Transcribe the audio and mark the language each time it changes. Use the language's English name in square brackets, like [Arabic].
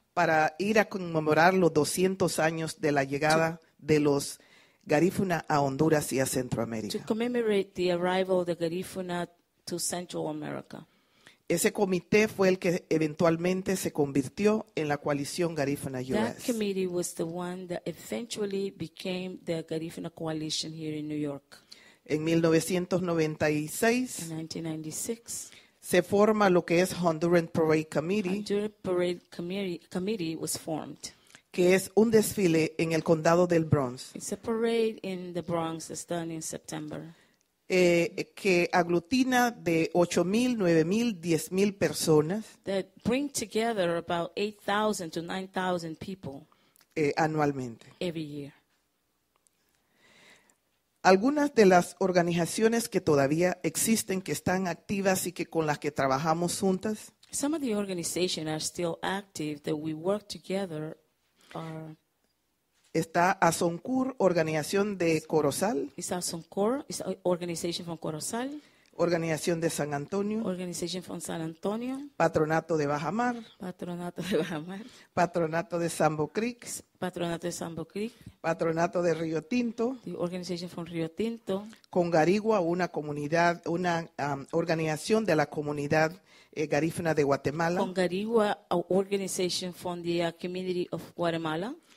[Spanish] Para ir a conmemorar los 200 años de la llegada de los Garífuna a Honduras y a Centroamérica. [English] To commemorate the arrival of the Garífuna to Central America. [Spanish] Ese comité fue el que eventualmente se convirtió en la coalición Garifuna US. [English] That committee was the one that eventually became the Garifuna Coalition here in New York. [Spanish] En 1996 se forma lo que es Honduran Parade Committee. [English] Honduran Parade Committee was formed. [Spanish] Que es un desfile en el condado del Bronx. [English] It's a parade in the Bronx that's done in September. [Spanish] Que aglutina de 8,000, 9,000, 10,000 personas. [English] That bring together about 8,000 to 9,000 people. [Spanish] Anualmente. [English] Every year. [Spanish] Algunas de las organizaciones que todavía existen, que están activas y que con las que trabajamos juntas. [English] Some of the organizations are still active that we work together are. [Spanish] Está Asoncur, organización de Corozal. [English] Is Asoncur, is organization from Corozal. [Spanish] Organización de San Antonio. [English] Organization from San Antonio. [Spanish] Patronato de Bajamar. Patronato de Bajamar. Patronato de Sambo Creek. Patronato de Sambo Creek. Patronato de Río Tinto. [English] The organization from Río Tinto. [Spanish] Congarigua, una comunidad, una organización de la comunidad garífuna de Guatemala. [English] Congarigua, an organization from the community of Guatemala.